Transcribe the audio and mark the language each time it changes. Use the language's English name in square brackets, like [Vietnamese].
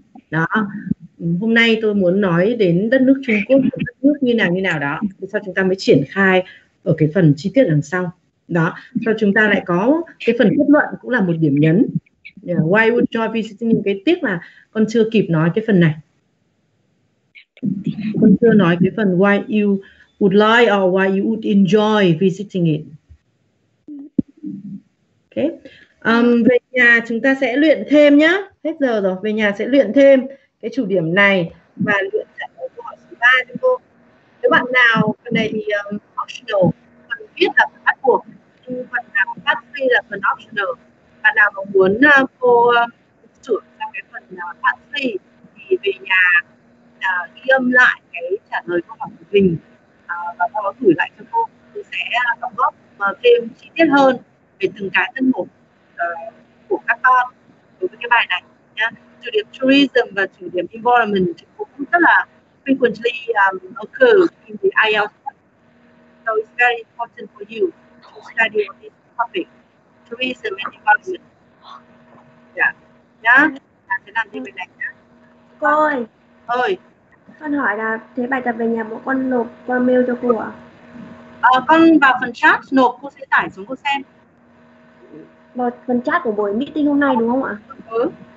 [Vietnamese] Đó, hôm nay tôi muốn nói đến đất nước Trung Quốc, đất nước như nào đó, sau chúng ta mới triển khai ở cái phần chi tiết đằng sau. Đó, sau chúng ta lại có cái phần kết luận cũng là một điểm nhấn. Yeah. [English] Why would you be sitting in? [Vietnamese] Cái tiếc là con chưa kịp nói cái phần này. Con chưa nói cái phần [English] why you would like or why you would enjoy visiting it. Okay. [Vietnamese] Về nhà chúng ta sẽ luyện thêm nhá. Hết giờ rồi, về nhà sẽ luyện thêm cái chủ điểm này và luyện lại câu hỏi số 3 cho cô. Nếu bạn nào phần này thì optional, phần viết là bắt buộc, phần nào phát huy là phần optional. Bạn nào mà muốn cô sửa ra cái phần phát huy thì về nhà ghi âm lại cái trả lời câu hỏi của mình và sau đó gửi lại cho cô. Cô sẽ đóng góp thêm chi tiết hơn về từng cái thân mục của các con đối với cái bài này nhá. Chủ điểm tourism và chủ điểm environment thì cũng rất là [English] frequently occur in the IELTS. So it's very important for you to study on this topic, tourism and environment. Yeah. [Vietnamese] nhá. Bạn sẽ làm thêm bài này nhá. Cô ơi. Ơi. Con hỏi là thế bài tập về nhà bọn con nộp qua mail cho cô ạ? À, con vào phần chat nộp, cô sẽ tải xuống cô xem. Vào phần chat của buổi meeting hôm nay đúng không ạ? Ừ.